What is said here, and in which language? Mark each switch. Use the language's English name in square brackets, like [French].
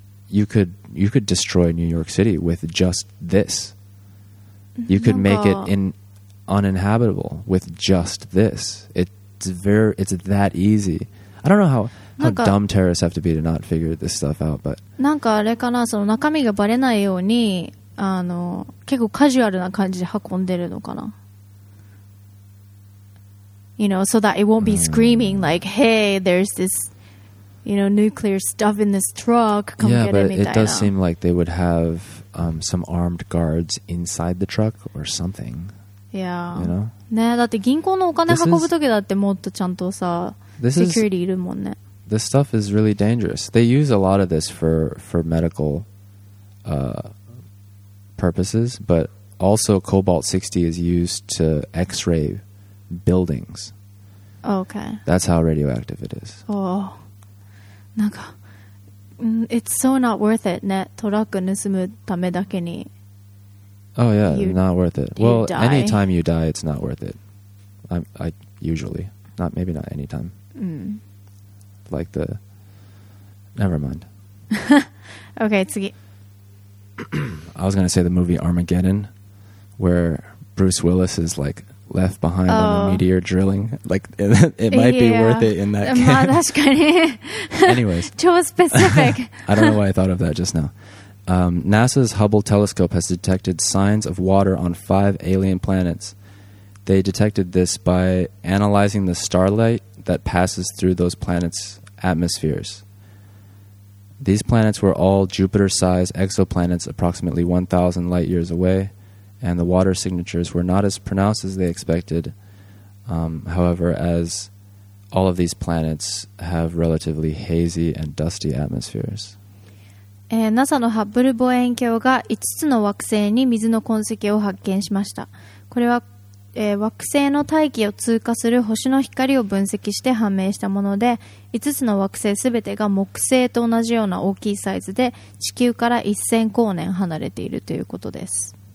[English] you could destroy New York City with just this. You could make it uninhabitable with just this. It's that easy. I don't know how dumb terrorists have to be to not figure this stuff out, but [Japanese] なんかあれかな、その中身がバレないようにあの結構カジュアルな感じで運んでるのかな。 [English] You know, so that it won't be screaming like, hey, there's this, you know, nuclear stuff in this truck. Come yeah, get but it does seem like they would have some armed guards inside the truck or something. Yeah. You know? [Japanese] ね、だって銀行のお金運ぶときだってもっとちゃんとさ、security いるもんね。 [English] This stuff is really dangerous. They use a lot of this for medical purposes, but also cobalt-60 is used to x-ray buildings. Okay. That's how radioactive it is. Oh. なんか、it's so not worth it, ね。 [Japanese] トラック盗むためだけに。 [English] Oh, yeah, not worth it. Well, anytime you die, it's not worth it. I usually. Not, maybe not anytime. Mm. Like the... Never mind. Okay, 次. I was going to say the movie Armageddon, where Bruce Willis is like left behind on a meteor drilling. Like, it might be worth it in that case. [Japanese] まあ、確かに。 [English] Anyways. [Japanese] 超 specific. [English] I don't know why I thought of that just now. NASA's Hubble telescope has detected signs of water on 5 alien planets. They detected this by analyzing the starlight that passes through those planets' atmospheres. These planets were all Jupiter-sized exoplanets approximately 1,000 light years away, and the water signatures were not as pronounced as they expected. However, as all of these planets have relatively hazy and dusty atmospheres. [Japanese] NASA のハッブル望遠鏡が5つの惑星に水の痕跡を発見しました。これは、惑星の大気を通過する星の光を分析して判明したもので、5つの惑星すべてが木星と同じような大きいサイズで地球から1000光年離れているということです。